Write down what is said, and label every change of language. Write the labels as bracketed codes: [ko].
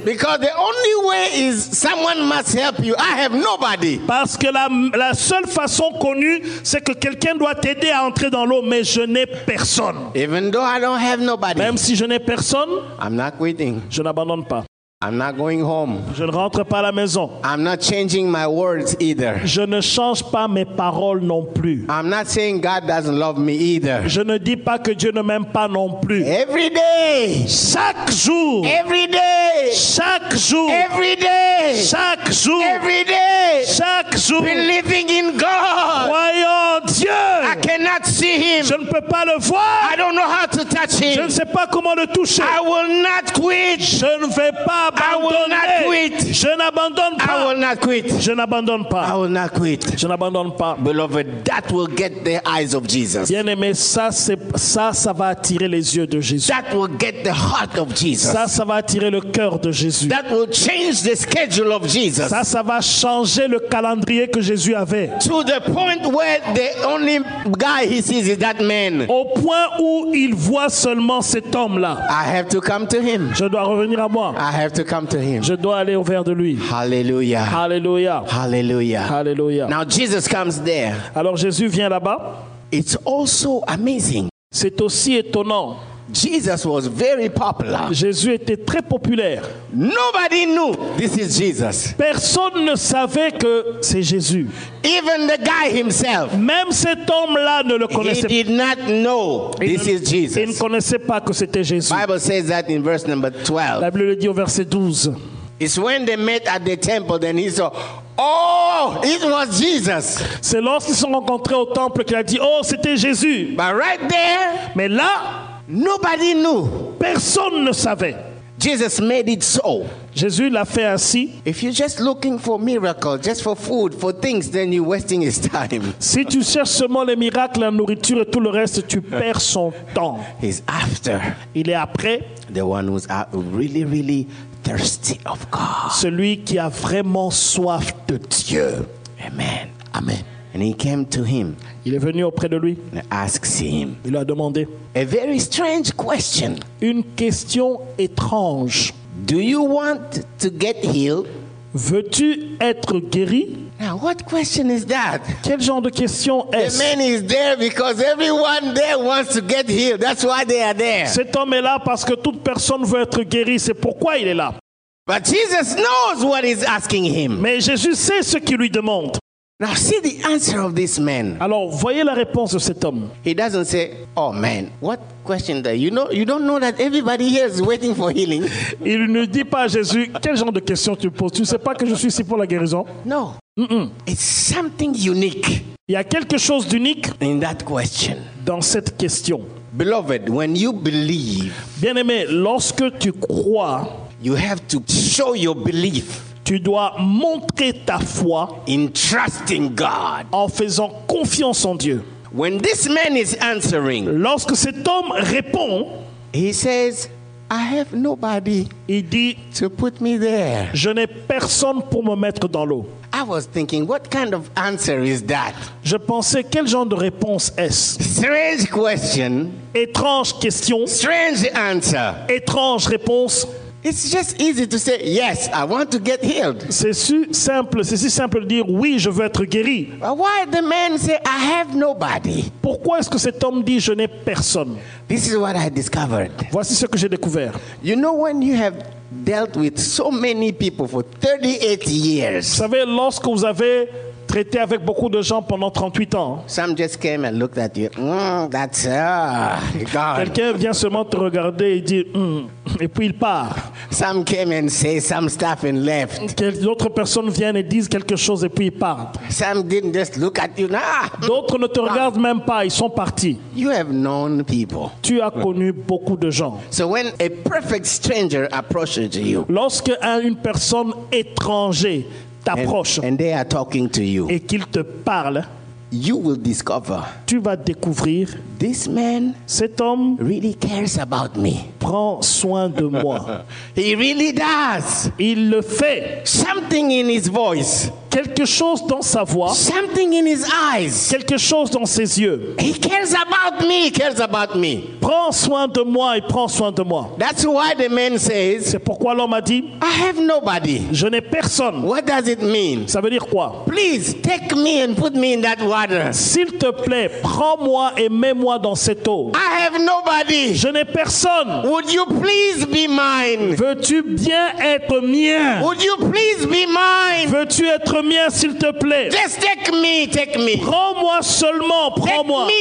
[en] Because the only way is someone must help you. I have nobody. [fr] Parce que la seule façon connue, c'est que quelqu'un doit t'aider à entrer dans l'eau, mais je n'ai personne. [en] Even though I don't have nobody. [fr] Même si je n'ai personne, [en] I'm not quitting. [fr] Je n'abandonne pas. [en] I'm not going home. [fr] Je ne rentre pas à la maison. [en] I'm not changing my words either. [fr] Je ne change pas mes paroles non plus. [en] I'm not saying God doesn't love me either. [fr] Je ne dis pas que Dieu ne m'aime pas non plus. [en] Every day. [fr] Chaque jour. [en] Every day. [fr] Chaque jour. [en] Every day. [fr] Chaque jour. [en] Every day. [fr] Chaque jour. [en] Believing in God. [fr] Croyant Dieu. [en] I cannot see him. [fr] Je ne peux pas le voir. [en] I don't know how to touch him. [fr] Je ne sais pas comment le toucher. [en] I will not quit. [fr] Je ne vais pas. [en] I will not quit. [fr] Je n'abandonne pas. [en] I will not quit. [fr] Je n'abandonne pas. [en] I will not quit. [fr] Je n'abandonne pas. [en] Beloved, that will get the eyes of Jesus. [fr] Bien-aimé, ça va attirer les yeux de Jésus. [en] That will get the heart of Jesus. [fr] Ça va attirer le cœur de Jésus. [en] That will change the schedule of Jesus. [fr] Ça va changer le calendrier que Jésus avait. [en] To the point where the only guy he sees is that man. [fr] Au point où il voit seulement cet homme là. [en] I have to come to him. [fr] Je dois revenir à moi. [en] I have to come to him. [fr] Je dois aller au vers de lui. [en] Hallelujah. Hallelujah. Hallelujah. Hallelujah. Now Jesus comes there. [fr] Alors Jésus vient là-bas. [en] It's also amazing. [fr] C'est aussi étonnant. [en] Jesus was very popular. [fr] Jésus était très populaire. [en] Nobody knew this is Jesus. [fr] Personne ne savait que c'est Jésus. [en] Even the guy himself. [fr] Même cet homme-là ne le connaissait pas. [en] He did not know this is Jesus. [fr] Il ne connaissait pas que c'était Jésus. [en] Bible says that in verse number 12. [fr] La Bible le dit au verset 12. [en] It's when they met at the temple, then he saw, oh, it was Jesus. [fr] C'est lorsqu'ils se sont rencontrés au temple qu'il a dit, oh, c'était Jésus. [en] But right there. [fr] Mais là. [en] Nobody knew. [fr] Personne ne savait. [en] Jesus made it so. [fr] Jésus l'a fait ainsi. [en] If you're just looking for miracles, just for food, for things, then you're wasting his time. [fr] Si tu cherches seulement les miracles, la nourriture et tout le reste, tu perds son temps. [en] He's after. [fr] Il est après. [en] The one who's really, really thirsty of God. [fr] Celui qui a vraiment soif de Dieu. [en] Amen. Amen. And he came to him. [fr] Il est venu auprès de lui. [en] And asks him. [fr] Il lui a demandé. [en] A very strange question. [fr] Une question étrange. [en] Do you want to get healed? [fr] Veux-tu être guéri? [en] Now, what question is that? [fr] Quel genre de question est-ce? [en] The man is there because everyone there wants to get healed. That's why they are there. [fr] Cet homme est là parce que toute personne veut être guérie. C'est pourquoi il est là. [en] But Jesus knows what he's asking him. [fr] Mais Jésus sait ce qu'il lui demande. [en] Now see the answer of this man. [fr] Alors voyez la réponse de cet homme. [en] He doesn't say, "Oh man, what question that? You know, you don't know that everybody here is waiting for healing." [fr] Il ne dit pas à Jésus, quel genre de question tu poses? Tu ne sais pas que je suis ici pour la guérison? [en] No. Mm-mm. It's something unique. [fr] Il y a quelque chose d'unique [en] in that question. [fr] Dans cette question. [en] Beloved, when you believe, [fr] bien-aimé, lorsque tu crois, [en] you have to show your belief. [fr] Tu dois montrer ta foi [en] in trusting God. [fr] En faisant confiance en Dieu. [en] When this man is answering, [fr] lorsque cet homme répond, [en] he says, I have nobody. [fr] Il dit, [en] to put me there. [fr] Je n'ai personne pour me mettre dans l'eau. [en] I was thinking, what kind of answer is that? [fr] Je pensais, quel genre de réponse est-ce? [en] Strange question. [fr] Étrange question. [en] Strange answer. [fr] Étrange réponse. [en] It's just easy to say yes, I want to get healed. [fr] C'est si simple de dire oui, je veux être guéri. [en] But why the man say I have nobody? [fr] Pourquoi est-ce que cet homme dit je n'ai personne? [en] This is what I discovered. [fr] Voici ce que j'ai découvert. [en] You know when you have dealt with so many people for 38 years. [fr] Vous savez lorsque vous avez traité avec beaucoup de gens pendant 38 ans. [en] Some just came and looked at you. That's God. [fr] Quelqu'un vient seulement te regarder et dit et puis il part. [en] Some came and say some stuff and left. [fr] D'autres personnes viennent et disent quelque chose et puis ils partent. [en] Some didn't just look at you. [fr] D'autres ne te regardent même pas, ils sont partis. [en] You have known people. [fr] Tu as connu beaucoup de gens. [en] So when a perfect stranger approaches you. [fr] Lorsque une personne étranger t'approche [en] and they are talking to you. [fr] Et qu'il te parle, [en] you will discover, [fr] tu vas découvrir, [en] this man, [fr] cet homme, [en] really cares about me. [fr] Prend soin de moi. [en] He really does. [fr] Il le fait. [en] Something in his voice. [fr] Quelque chose dans sa voix. [en] Something in his eyes. [fr] Quelque chose dans ses yeux. [en] He cares about me. He cares about me. [fr] Prend soin de moi. Il prend soin de moi. [en] That's why the man says. [fr] C'est pourquoi l'homme a dit. [en] I have nobody. [fr] Je n'ai personne. [en] What does it mean? [fr] Ça veut dire quoi? [en] Please take me and put me in that water. [fr] S'il te plaît, prends-moi et mets-moi dans cette eau. [en] I have nobody. [fr] Je n'ai personne. [en] Would you please be mine? [fr] Veux-tu bien être mien? [en] Would you please be mine? [fr] Veux-tu être mien, s'il te plaît. [en] Just take me, [fr] prends-moi seulement, prends-moi.